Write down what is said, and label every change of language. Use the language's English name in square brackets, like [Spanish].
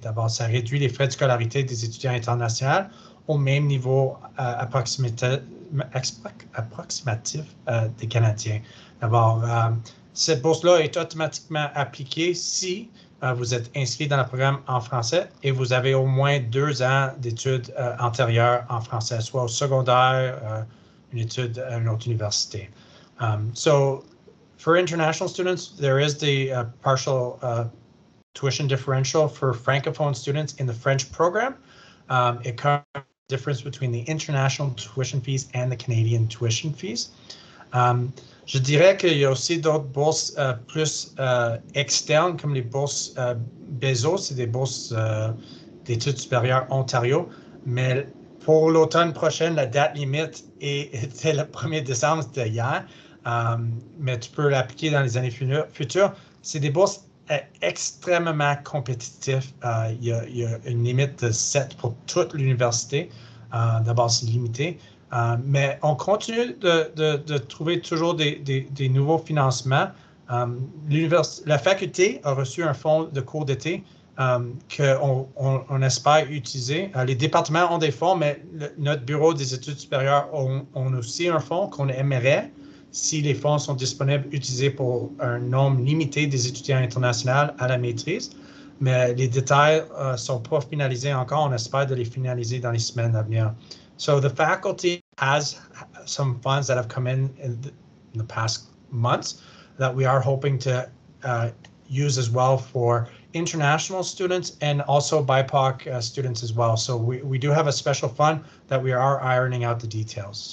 [French] D'abord, ça réduit les frais de scolarité des étudiants internationaux au même niveau approximatif des Canadiens. D'abord, cette bourse-là est automatiquement appliquée si vous êtes inscrit dans le programme en français et vous avez au moins deux ans d'études antérieures en français, soit au secondaire, une étude à une autre université. [English] So, for international students, there is the partial tuition differential for francophone students in the French program. It covers the difference between the international tuition fees and the Canadian tuition fees. [French] Je dirais qu'il y a aussi d'autres bourses plus externes, comme les bourses BESO, c'est des bourses d'études supérieures Ontario. Mais pour l'automne prochain, la date limite était le 1er décembre d'hier. Mais tu peux l'appliquer dans les années futures. C'est des bourses extrêmement compétitives. Il y a une limite de 7 pour toute l'université. D'abord, c'est limité. Mais on continue de trouver toujours des nouveaux financements. La faculté a reçu un fonds de cours d'été qu'on espère utiliser. Les départements ont des fonds, mais notre bureau des études supérieures ont aussi un fonds qu'on aimerait, si les fonds sont disponibles, utilisés pour un nombre limité des étudiants internationaux à la maîtrise. Mais les détails ne sont pas finalisés encore. On espère de les finaliser dans les semaines à venir. [English] So the faculty has some funds that have come in the past months that we are hoping to use as well for international students and also BIPOC students as well. So we do have a special fund that we are ironing out the details.